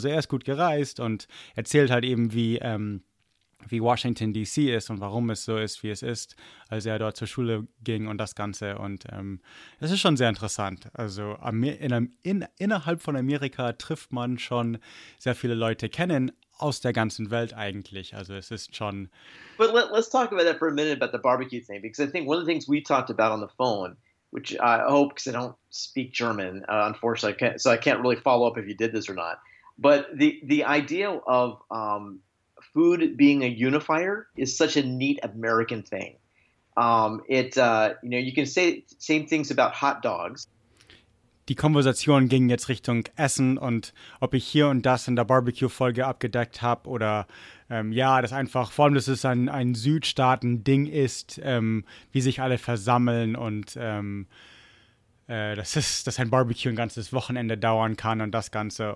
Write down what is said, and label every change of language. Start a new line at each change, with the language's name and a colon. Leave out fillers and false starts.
German: Also er ist gut gereist und erzählt halt eben, wie Washington D.C. ist und warum es so ist, wie es ist, als er dort zur Schule ging und das Ganze. Und es ist schon sehr interessant. Also innerhalb von Amerika trifft man schon sehr viele Leute kennen, aus der ganzen Welt eigentlich. Also es ist schon...
English: But let's talk about that for a minute, about the barbecue thing, because I think one of the things we talked about on the phone, which I hope, because I don't speak German, unfortunately, so I can't really follow up if you did this or not, but the idea of... food being a unifier is such a neat American thing. You can say same things about hot dogs.
German: Die Konversation ging jetzt Richtung Essen und ob ich hier und das in der Barbecue-Folge abgedeckt habe oder das einfach, vor allem, dass es ein Südstaaten-Ding ist, wie sich alle versammeln und dass ein Barbecue ein ganzes Wochenende dauern kann und das Ganze.